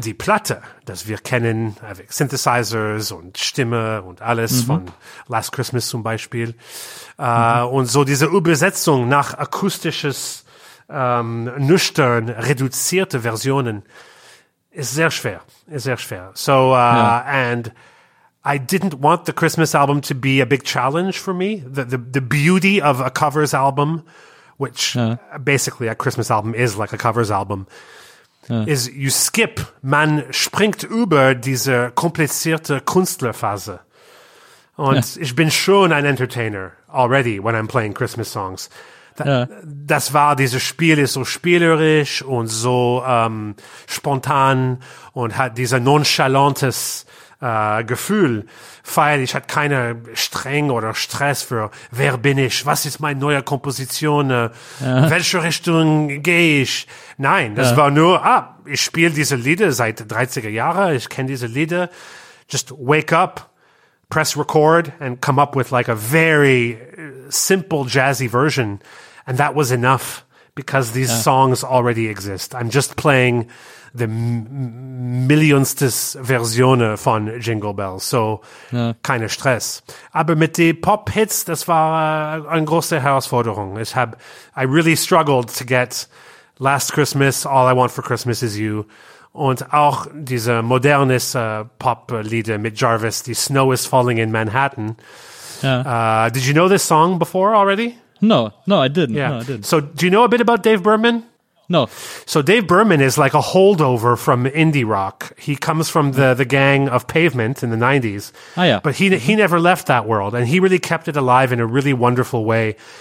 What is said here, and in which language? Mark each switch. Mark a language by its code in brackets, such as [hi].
[de] Die Platte, das wir kennen, mit Synthesizers und Stimme und alles von Last Christmas zum Beispiel. Und so diese Übersetzung nach akustisches nüchtern, reduzierte Versionen ist sehr schwer. [en] So, and I didn't want the Christmas album to be a big challenge for me. The beauty of a covers album, which basically a Christmas album is like a covers album, is you skip, [de] man springt über diese komplizierte Künstlerphase. Und ich bin schon ein Entertainer [en] already when I'm playing Christmas songs. [de] Das war, dieses Spiel ist so spielerisch und so spontan und hat dieses nonchalantes Gefühl, weil ich hatte keine Streng oder Stress für, wer bin ich, was ist meine neue Komposition, welche Richtung gehe ich? Nein, das war nur, ich spiele diese Lieder seit 30er Jahren, ich kenne diese Lieder, [en] just wake up, press record and come up with like a very simple jazzy version. And that was enough, because these songs already exist. I'm just playing the [de] millionstes Version von [en] Jingle Bells. [de] So, keine Stress. Aber mit den Pop-Hits, das war eine große Herausforderung. [en] I really struggled to get Last Christmas, All I Want for Christmas is You. [de] Und auch diese modernes Pop-Lieder mit Jarvis, The Snow is Falling in Manhattan. [en] Did you know this song before already? No, I didn't. Yeah. No, I didn't. So do you know a bit about Dave Berman? No. So Dave Berman is like a holdover from indie rock. He comes from the gang of Pavement in the 90s. Oh, yeah. But he never left that world, and he really kept it alive in a really wonderful way.